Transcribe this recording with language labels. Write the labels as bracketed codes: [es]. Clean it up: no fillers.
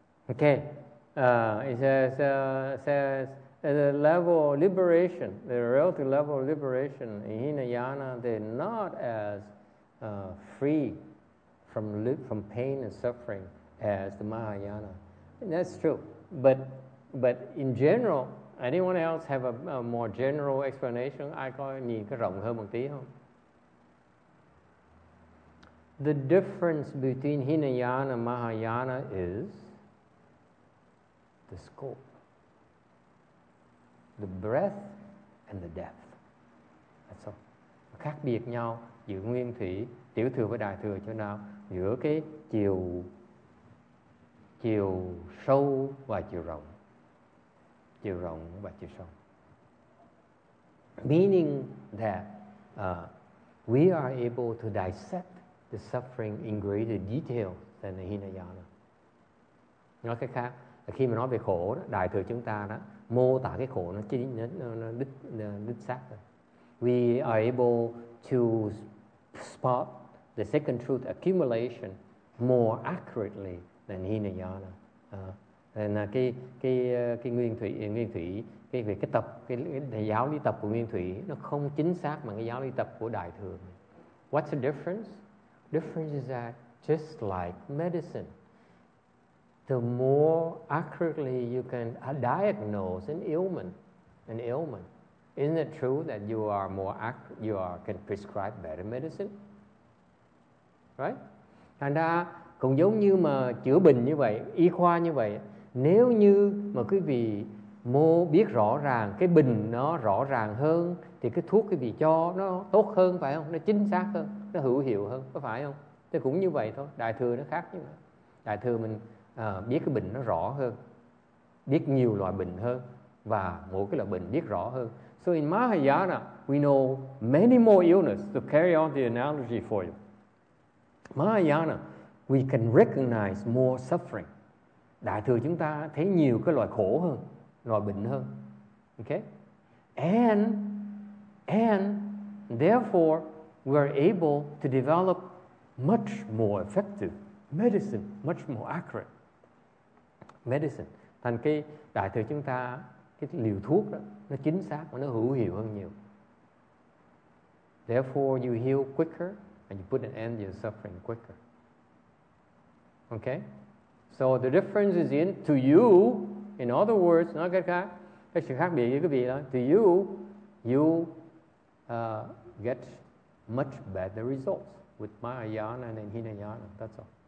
[en] Okay, it says the level of liberation, the relative level of liberation in Hinayana, they're not as free from pain and suffering as the Mahayana. And that's true, but in general, anyone else have a more general explanation? [vi] Ai có nhìn cái rộng hơn một tí không? [en] The difference between Hinayana and Mahayana is the scope, the breadth, and the depth. That's all. [vi] Khác biệt nhau giữa nguyên thủy, tiểu thừa và đại thừa chỗ nào? Giữa cái chiều sâu và chiều rộng. Chiều rộng và chiều sâu. [en] Meaning that we are able to dissect the suffering in greater detail than the Hinayana. [vi] Nói cách khác, khi mà nói về khổ đó, đại thừa chúng ta đó mô tả cái khổ nó đích xác rồi. [en] We are able to spot the second truth accumulation more accurately than Hinayana. [vi] Cái giáo lý tập của nguyên thủy nó không chính xác bằng cái giáo lý tập của đại thừa. [en] What's the difference? Difference is that just like medicine. The more accurately you can diagnose an ailment, isn't it true that you are more accurate, you are, can prescribe better medicine? Right? [vi] Thành ra cũng giống như mà chữa bệnh như vậy, y khoa như vậy, nếu như mà quý vị mô biết rõ ràng, cái bình nó rõ ràng hơn, thì cái thuốc quý vị cho nó tốt hơn, phải không? Nó chính xác hơn, nó hữu hiệu hơn, có phải không? Thế cũng như vậy thôi, đại thừa nó khác như vậy. Đại thừa mình biết cái bệnh nó rõ hơn, biết nhiều loại bệnh hơn, và mỗi cái loại bệnh biết rõ hơn. [en] So in Mahayana, we know many more illness. To carry on the analogy for you. Mahayana, we can recognize more suffering. [vi] Đại thừa chúng ta thấy nhiều cái loại khổ hơn, loại bệnh hơn. [en] Okay? And therefore we are able to develop much more effective medicine, much more accurate medicine. [vi] Thành cái đại thừa chúng ta, cái liều thuốc đó, nó chính xác và nó hữu hiệu hơn nhiều. [en] Therefore you heal quicker and you put an end to your suffering quicker. Okay? So the difference is in to you. In other words, [vi] nói cách khác, cái sự khác biệt với quý vị đó, [en] to you, you get much better results with Mahayana and Hinayana. That's all.